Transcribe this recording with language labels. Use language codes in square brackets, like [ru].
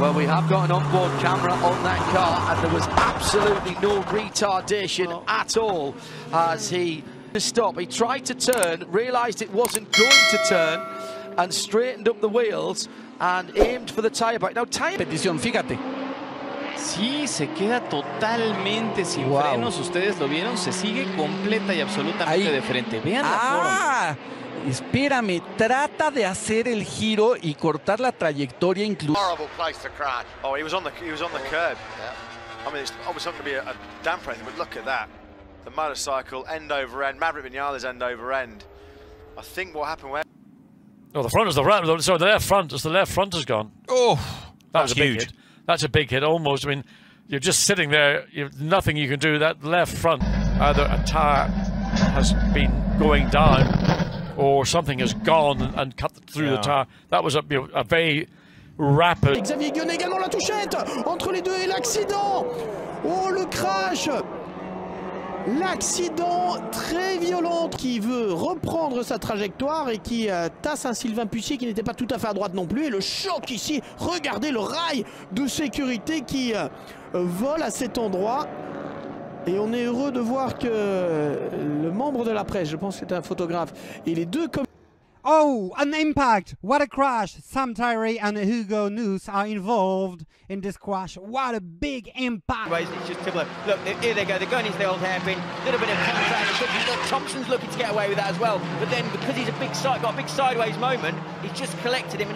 [en] Well, we have got an onboard camera on that car, and there was absolutely no retardation at all as he stopped. He tried to turn, realized it wasn't going to turn, and straightened up the wheels and aimed for the tire back. Now, tire [es] petición, fíjate. Sí, se queda totalmente sin frenos. Ustedes lo vieron, se sigue completa y absolutamente ahí de frente. Vean la forma. Espérame, trata de hacer el giro y cortar la trayectoria incluso. [en] Horrible place to crash. Oh, he was on the curb. Yeah. I mean, it's obviously not going to be a damper anything, but look at that. The motorcycle end over end. Maverick Viñales end over end. I think what happened where. Oh, the front is the right. Sorry, the left front. It's the left front has gone. Oh, that's huge. That's a big hit, almost. I mean, you're just sitting there. You've nothing you can do. That left front, either a tire has been going down or something has gone and cut through the tire. That was a very rapid. [fr] Xavier Guillen également la touchette entre les deux et l'accident. Oh, le crash. L'accident très violent qui veut reprendre sa trajectoire et qui tasse un Sylvain Pussier qui n'était pas tout à fait à droite non plus. Et le choc ici, regardez le rail de sécurité qui vole à cet endroit. Et on est heureux de voir que le membre de la presse, je pense que c'est un photographe, et les deux... [en] Oh, an impact! What a crash! Sam Tyree and Hugo Neuss are involved in this crash. What a big impact! It's just similar. Look, here they go. They're going into the old hairpin. A little bit of contact. Thompson's looking to get away with that as well. But then, because he's a big side, got a big sideways moment, he's just collected him.